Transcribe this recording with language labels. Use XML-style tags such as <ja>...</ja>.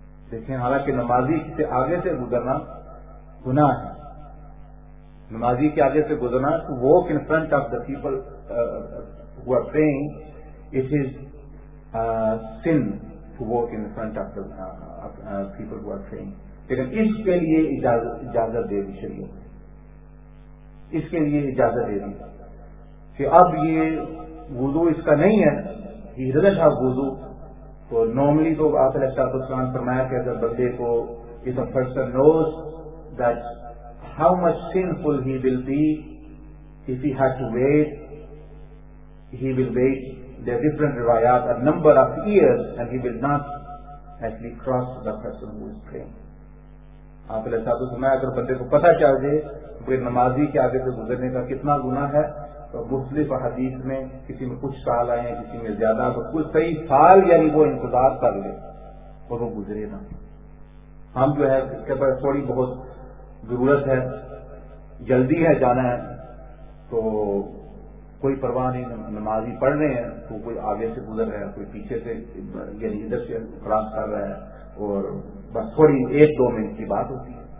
<ur>دیکھیں حالانکہ نمازی سے آگے سے گزرنا گناہ ہے، نمازی کے آگے سے گزرنا تو</ur> <en>walk in front of the people who are praying</en> <ur>it is sun to walk in front of the people ہو are praying, لیکن اس کے لیے اجازت دے دی شریعت، اس کے لیے اجازت دے دی کہ اب یہ وضو اس کا نہیں ہے،</ur> <en>He doesn't have وضو.</en> <ur>تو نارملی تو آپ علیہ الصلوۃ والسلام فرمایا کہ اگر بندے کو</ur> <en>If a person knows that how much sinful he will be if he had to wait, he will wait the different riwayat a number of years and he will not actually cross the person who is praying.</en> <ur>آپ علیہ الصلوۃ والسلام نے اگر بندے کو پتا چل جائے نمازی کے آگے سے گزرنے کا کتنا گناہ ہے، تو مختلف حدیث میں کسی میں کچھ سال آئے کسی میں زیادہ، تو کچھ صحیح سال یعنی وہ انتظار کر لے اور وہ گزرے نہ. ہم جو ہے اس کے پاس تھوڑی بہت ضرورت ہے، جلدی ہے جانا ہے تو کوئی پرواہ نہیں، نمازی پڑھ رہے ہیں تو کوئی آگے سے گزر رہا ہے، کوئی پیچھے سے یعنی ادھر سے خراب کر رہا ہے، اور بس تھوڑی ایک دو منٹ کی بات ہوتی ہے.</ur>